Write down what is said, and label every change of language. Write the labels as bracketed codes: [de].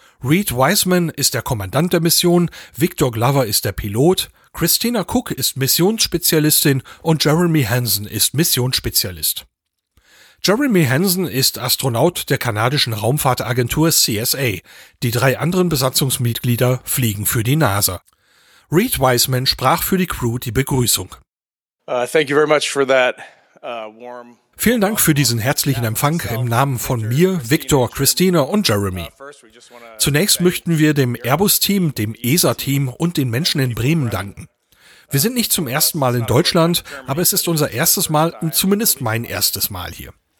[de] Reid Wiseman ist der Kommandant der Mission, Victor Glover ist der Pilot, Christina Cook ist Missionsspezialistin und Jeremy Hansen ist Missionsspezialist. Jeremy Hansen ist Astronaut der kanadischen Raumfahrtagentur CSA. Die drei anderen Besatzungsmitglieder fliegen für die NASA. Reid Wiseman sprach für die Crew die Begrüßung. [en] Thank you very much for that warm. [de] Vielen Dank für diesen herzlichen Empfang im Namen von mir, Victor, Christina und Jeremy. Zunächst möchten wir dem Airbus-Team, dem ESA-Team und den Menschen in Bremen danken. Wir sind nicht zum ersten Mal in Deutschland, aber es ist unser erstes Mal, zumindest mein erstes Mal hier.